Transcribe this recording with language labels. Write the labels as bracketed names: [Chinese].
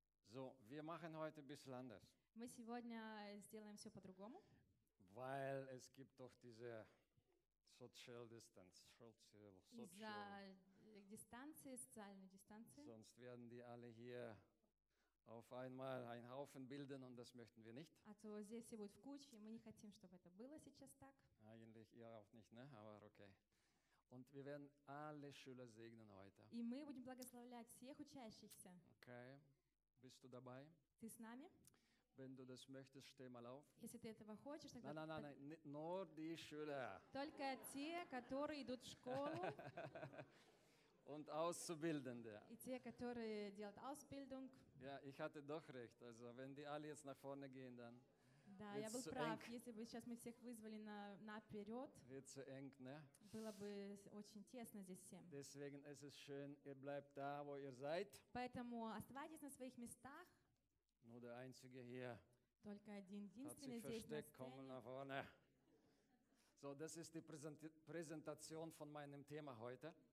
[German] So, wir machen heute ein bisschen anders. [Russian] Мы сегодня сделаем все по-другому. [German] Weil es gibt doch diese social distance. [Russian] Из-за дистанции, социальной дистанции. [German] Sonst werden die alle hier auf einmal einen Haufen bilden und das möchten wir nicht. Also, [Russian] здесь все будет в куче, и мы не хотим, чтобы это было сейчас так. [German] Eigentlich ihr auch nicht, ne? Aber okay. Und wir werden alle Schüler segnen heute. [Russian] И мы будем благословлять всех учащихся. [German] Okay. Bist du dabei? [Russian] Ты с нами? [German] Wenn du das möchtest, steh mal auf. [Russian] Если ты этого хочешь, тогда... [German] Nein, nur die Schüler. [Russian] Только те, которые идут в школу. [German] Und Auszubildende. [Russian] И те, которые делают Ausbildung. [German] Ja, ich hatte doch recht. Also, wenn die alle jetzt nach vorne gehen, dann... [Russian] Да, я был прав. Если бы сейчас мы всех вызвали наперед, было бы очень тесно здесь всем. [German] Deswegen ist es schön, ihr bleibt da, wo ihr seid. [Russian] Поэтому оставайтесь на своих местах. [German] Nur der einzige hier. [Russian] Только один единственный здесь. [German] Hat sich versteckt, komm nach vorne. So, das ist die Präsentation von meinem Thema heute.